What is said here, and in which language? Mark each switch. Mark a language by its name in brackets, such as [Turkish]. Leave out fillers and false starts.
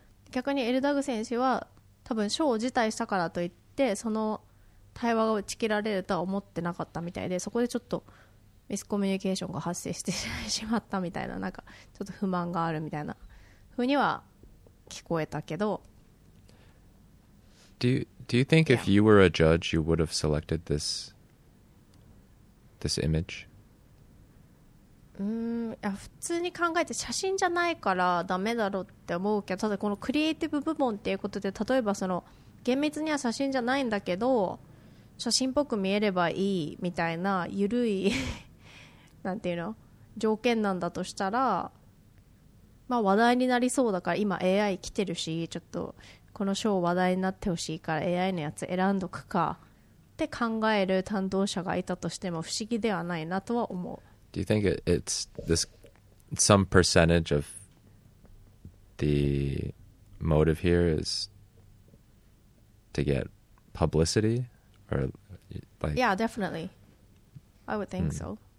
[Japanese] 逆にエルダグ選手は多分賞を辞退したからといってその対話が打ち切られるとは思ってなかったみたいでそこでちょっとミスコミュニケーションが発生してしまったみたいななんかちょっと不満があるみたいなふうには聞こえたけど [English] Do you think if you were a judge you would have selected this image [Japanese] うんいや普通に考えて写真じゃないからダメだろうって思うけどただこのクリエイティブ部門っていうことで例えばその厳密には写真じゃないんだけど写真っぽく見えればいいみたいな緩いなんていうの条件なんだとしたら、まあ、話題になりそうだから今 AI 来てるしちょっとこの賞話題になってほしいから AI のやつ選んどくかって考える担当者がいたとしても不思議ではないなとは思う [English] Do you think it's this some percentage of the motive here is to get publicity or like? Yeah, definitely. I would think so.